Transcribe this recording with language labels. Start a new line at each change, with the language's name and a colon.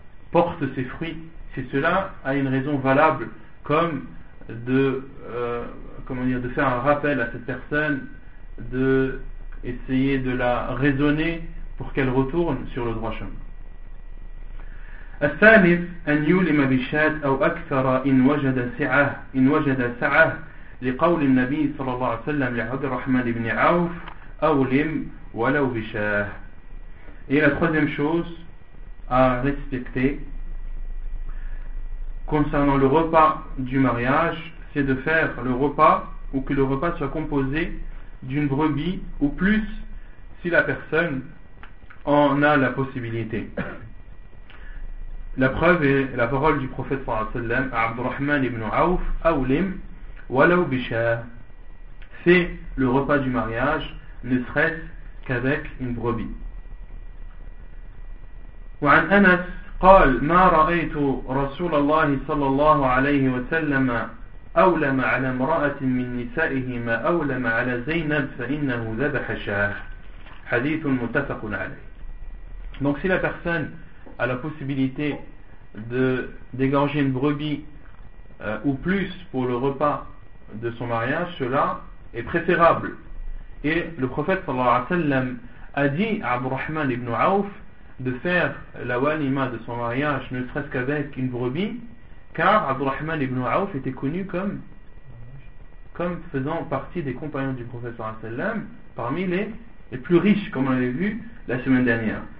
French: porte ses fruits, si cela a une raison valable, comme de faire un rappel à cette personne, de essayer de la raisonner pour qu'elle retourne sur le droit chemin.
Arabic: الثالث أن يلم بشات أو أكثر إن وجد سعة لقول النبي صلى الله عليه وسلم لعبد الرحمن بن عوف أولم ولو بشاه.
French: Et la troisième chose à respecter concernant le repas du mariage, c'est de faire le repas, ou que le repas soit composé d'une brebis ou plus si la personne en a la possibilité. La preuve est la parole du prophète sallallahu alayhi wa sallam, Abdurrahman ibn Auf,
Arabic: Aoulim, Walaw Bishah.
French: C'est le repas du mariage, ne serait-ce qu'avec une brebis.
Arabic: وعن أنس قال ما رأيت رسول الله صلى الله عليه وسلم أولم على امرأة من نسائه ما أولم على زينب فإنه ذبح شاه. حديث متفق عليه.
French: Donc si la personne a la possibilité d'égorger une brebis ou plus pour le repas de son mariage, cela est préférable. Et le prophète
Arabic: صلى الله عليه وسلم
French: a dit à Abd al-Rahman ibn Auf de faire la walima de son mariage ne serait-ce qu'avec une brebis, car Abdurrahman ibn Auf était connu comme faisant partie des compagnons du prophète sallallahu alayhi wa sallam, parmi les plus riches, comme on l'avait vu la semaine dernière.